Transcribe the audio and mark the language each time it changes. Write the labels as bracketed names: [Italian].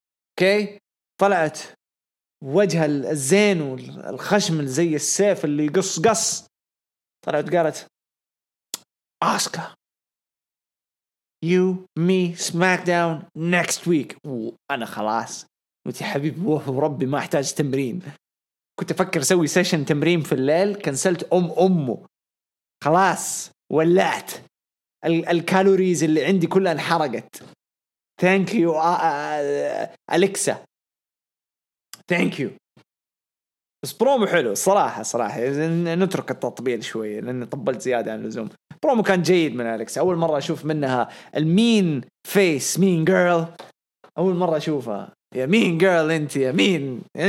[Arabic] أوكي طلعت وجه الزين والخشم زي السيف اللي قص قص طلعت قالت آسكا [English] You, me, SmackDown next week. [Arabic] وأنا خلاص قلت يا حبيبي وربي ما أحتاج تمرين. كنت أفكر أسوي سيشن تمرين في الليل كنسلت أمه خلاص ولعت الكالوريز اللي عندي كلها انحرقت. [English] Thank you Alexa Thank you. [Arabic] بس برومو حلو صراحة نترك التطبيل شوي لأنني طبلت زيادة عن اللزوم. برومو كان جيد من أليكسا. أول مرة أشوف منها المين فيس مين جيرل. أول مرة أشوفها يا مين جيرل أنت يا مين